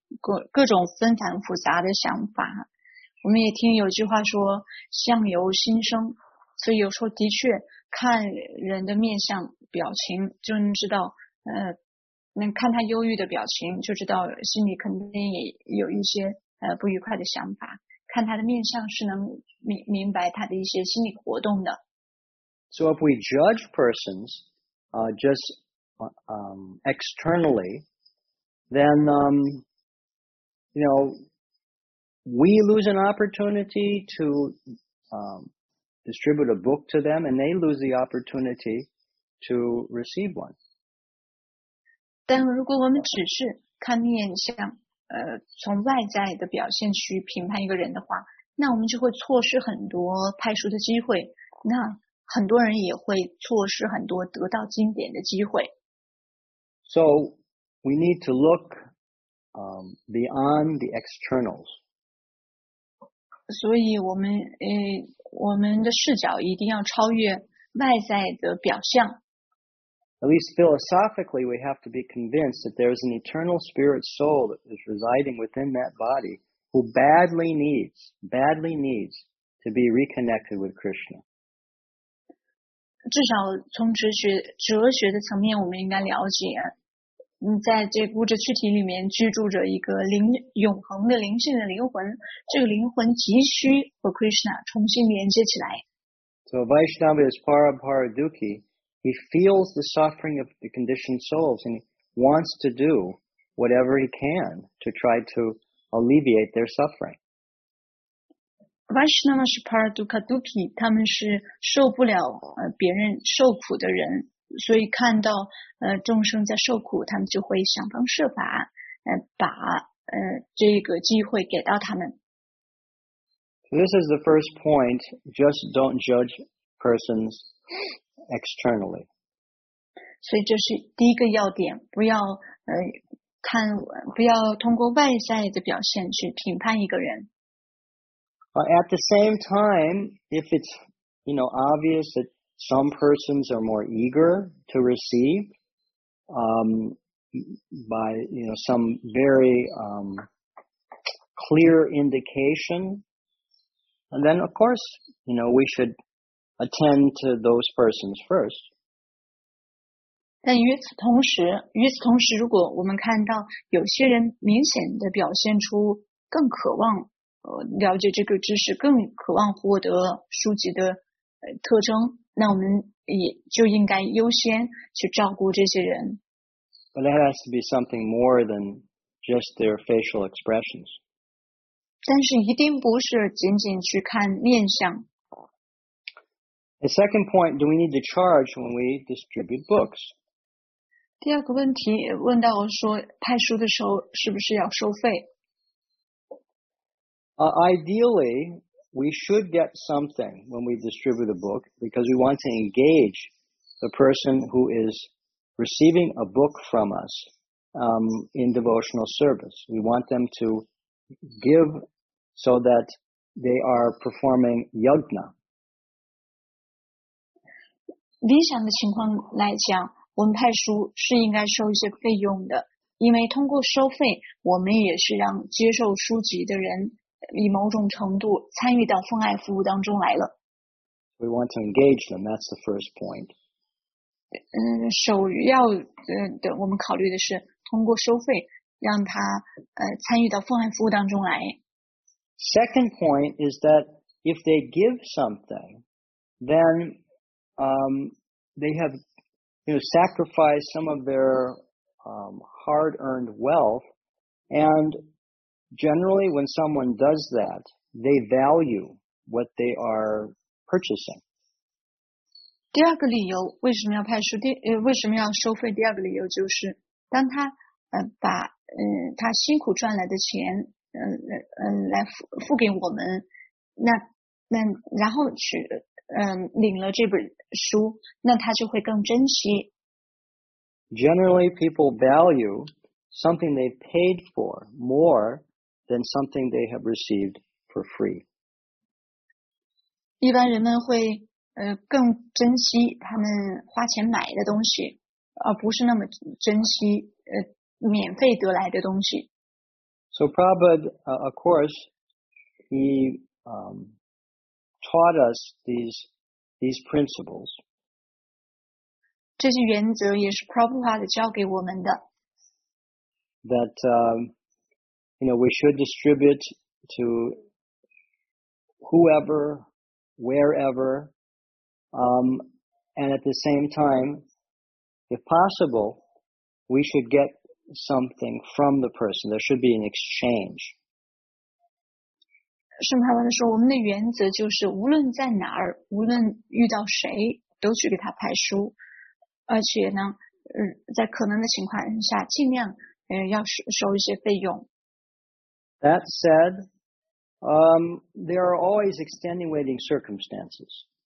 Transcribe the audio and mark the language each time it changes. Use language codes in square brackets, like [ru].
[zh] 各种纷繁复杂的想法，我们也听有句话说相由心生，所以有时候的确看人的面相表情就能知道，能看他忧郁的表情就知道心里肯定也有一些不愉快的想法，看他的面相是能明白他的一些心理活动的。 [en] So if we judge persons just externally, then you know, we lose an opportunity to distribute a book to them, and they lose the opportunity to receive one. [zh] 但如果我们只是看面相，从外在的表现去评判一个人的话，那我们就会错失很多派书的机会，那很多人也会错失很多得到经典的机会。 [en] So we need to look beyond the externals. [zh] 所以我们的视角一定要超越外在的表象。 [en] At least philosophically, we have to be convinced that there is an eternal spirit soul that is residing within that body who badly needs to be reconnected with Krishna. [zh] 至少从哲学的层面，我们应该了解。在这物质躯体里面居住着一个永恒的灵性的灵魂，这个灵魂急需和 Krishna 重新连接起来。 [en] So Vaishnava is Paraparaduki, he feels the suffering of the conditioned souls and wants to do whatever he can to try to alleviate their suffering. [zh] Vaishnava 是 Paraparaduki, 他们是受不了别人受苦的人。所以看到众生在受苦，他们就会想方设法把这个机会给到他们。 [en] This is the first point, just don't judge persons externally. [zh] 所以这是第一个要点，不要看，不要通过外在的表现去评判一个人。 [en] At the same time, if it's, you know, obvious that some persons are more eager to receive by, you know, some very clear indication. And then, of course, you know, we should attend to those persons first. [zh] 但与此同时，如果我们看到有些人明显的表现出更渴望了解这个知识，更渴望获得书籍的特征，那我们也就应该优先去照顾这些人。 [en] But that has to be something more than just their facial expressions. [zh] 但是一定不是仅仅去看面相。 [en] The second point, do we need to charge when we distribute books? [zh] 第二个问题问到说派书的时候是不是要收费？ [en] Ideally, we should get something when we distribute a book because we want to engage the person who is receiving a book from us, in devotional service. We want them to give so that they are performing yajna. [zh] 理想的情况来讲，我们派书是应该收一些费用的，因为通过收费，我们也是让接受书籍的人以某种程度参与到奉爱服务当中来了。 [en] We want to engage them, that's the first point. [zh] 首要的我们考虑的是通过收费让他参与到奉爱服务当中来。 [en] Second point is that if they give something, then, they have, sacrificed some of their, hard-earned wealth andGenerally, when someone does that, they value what they are purchasing. [zh] 第二个理由为什么要派书？为什么要收费？第二个理由就是，当他把他辛苦赚来的钱来付给我们，那然后去领了这本书，那他就会更珍惜。 [en] Generally, people value something they paid for more. Than something they have received for free. [zh] 一般人们会更珍惜他们花钱买的东西，而不是那么珍惜免费得来的东西。 [en] So Prabhupada, of course, he taught us these principles. [zh] 这些原则也是 Prabhupada 教给我们的。 [en] That. We should distribute to whoever, wherever, and at the same time, if possible, we should get something from the person. There should be an exchange. [zh] 圣帕文说，我们的原则就是无论在哪儿，无论遇到谁，都去给他派书，而且呢，在可能的情况下，尽量要收一些费用。 [en] That said, there are always extenuating circumstances.